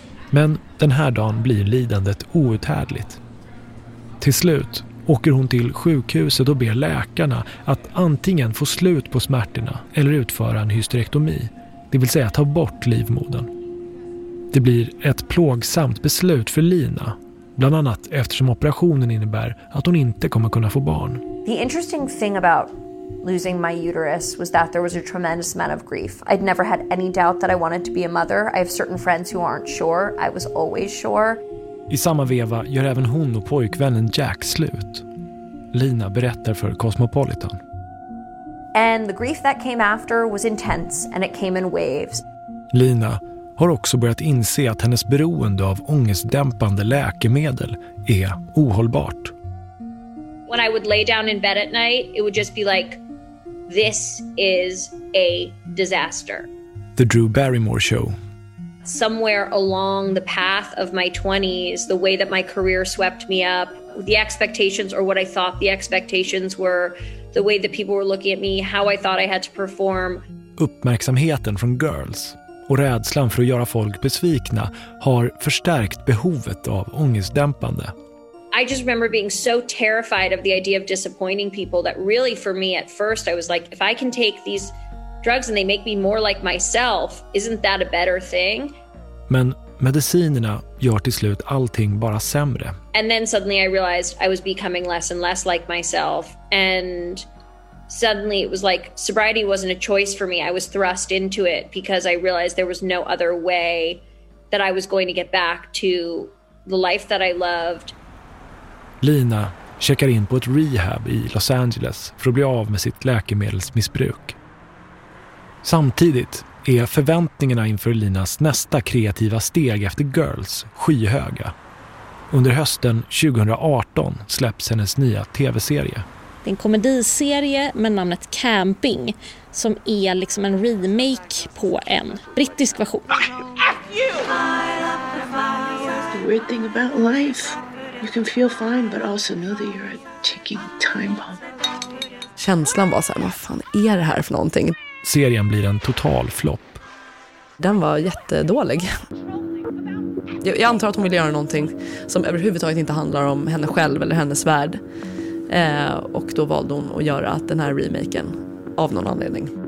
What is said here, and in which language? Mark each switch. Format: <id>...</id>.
<sv>Men den här dagen blir lidandet outhärdligt. Till slut åker hon till sjukhuset och ber läkarna att antingen få slut på smärtorna eller utföra en hysterektomi, det vill säga ta bort livmodern. Det blir ett plågsamt beslut för Lina, bland annat eftersom operationen innebär att hon inte kommer kunna få barn.</sv> <en>The interesting thing about losing my uterus was that there was a tremendous amount of grief. I'd never had any doubt that I wanted to be a mother. I have certain friends who aren't sure. I was always sure.</en> <sv>I samma veva gör även hon och pojkvännen Jack slut. Lina berättar för Cosmopolitan.</sv> <en>And the grief that came after was intense and it came in waves.</en> <sv>Lina har också börjat inse att hennes beroende av ångestdämpande läkemedel är ohållbart.</sv> <en>When I would lay down in bed at night, it would just be like, this is a disaster. The Drew Barrymore Show. Somewhere along the path of my 20s, the way that my career swept me up, the expectations or what I thought the expectations were, the way that people were looking at me, how I thought I had to perform.</en> <sv>Uppmärksamheten från Girls och rädslan för att göra folk besvikna har förstärkt behovet av ångestdämpande.</sv> <en>I just remember being so terrified of the idea of disappointing people that really for me at first I was like, if I can take these drugs and they make me more like myself, isn't that a better thing?</en> <sv>Men medicinerna gör till slut allting bara sämre.</sv> <en>And then suddenly I realized I was becoming less and less like myself. And suddenly it was like sobriety wasn't a choice for me. I was thrust into it because I realized there was no other way that I was going to get back to the life that I loved.</en> <sv>Lina checkar in på ett rehab i Los Angeles för att bli av med sitt läkemedelsmissbruk. Samtidigt är förväntningarna inför Linas nästa kreativa steg efter Girls skyhöga. Under hösten 2018 släpps hennes nya tv-serie. Det är en komediserie med namnet Camping som är liksom en remake på en brittisk version.</sv> <en>Okay. You. The weird thing about life. You can feel fine but also know that you're a ticking time bomb.</en> <sv>Känslan var så här, vad fan är det här för någonting? Serien blir en total flopp. Den var jättedålig. Jag antar att hon ville göra någonting som överhuvudtaget inte handlar om henne själv eller hennes värld. Och då valde hon att göra den här remaken av någon anledning.</sv>